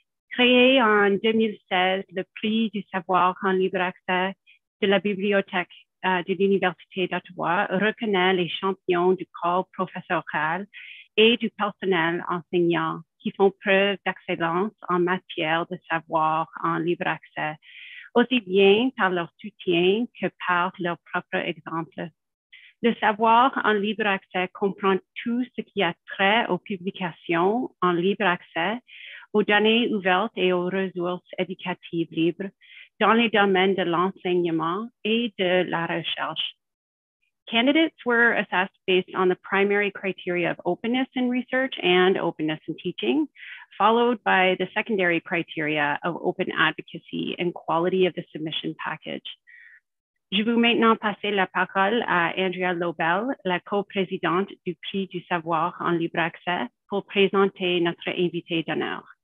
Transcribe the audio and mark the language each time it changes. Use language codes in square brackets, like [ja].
[fr] Créé en 2016, le prix du savoir en libre accès de la Bibliothèque de l'Université d'Ottawa reconnaît les champions du corps professoral et du personnel enseignant qui font preuve d'excellence en matière de savoir en libre accès, aussi bien par leur soutien que par leur propre exemple. Le savoir en libre accès comprend tout ce qui a trait aux publications en libre accès, aux données ouvertes et aux ressources éducatives libres, dans les domaines de l'enseignement et de la recherche. [en] Candidates were assessed based on the primary criteria of openness in research and openness in teaching, followed by the secondary criteria of open advocacy and quality of the submission package. [fr] Je vais maintenant passer la parole à Andrea Lobel, la co-présidente du Prix du savoir en libre accès, pour présenter notre invité d'honneur.